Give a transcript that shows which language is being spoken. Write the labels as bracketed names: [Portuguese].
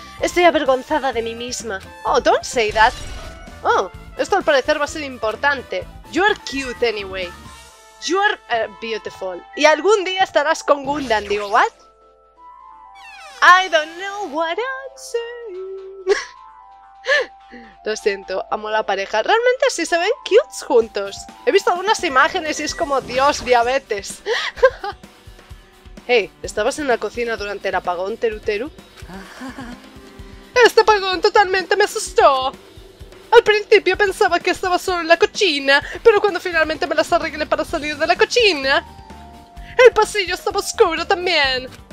[Spanish] Estoy avergonzada de mí misma. [English] Oh, don't say that. [Spanish] Oh, esto al parecer va a ser importante. [English] You are cute anyway. You are beautiful. [Spanish] Y algún día estarás con Gundam, digo, what? [English] I don't know what I'm saying. [Spanish] Lo siento, amo a la pareja. Realmente sí se ven cutes juntos. He visto algunas imágenes y es como, Dios, diabetes. Hey, ¿estabas en la cocina durante el apagón, Teru Teru? ¡Este apagón totalmente me asustó! Al principio pensaba que estaba solo en la cocina, pero cuando finalmente me las arreglé para salir de la cocina, el pasillo estaba oscuro también.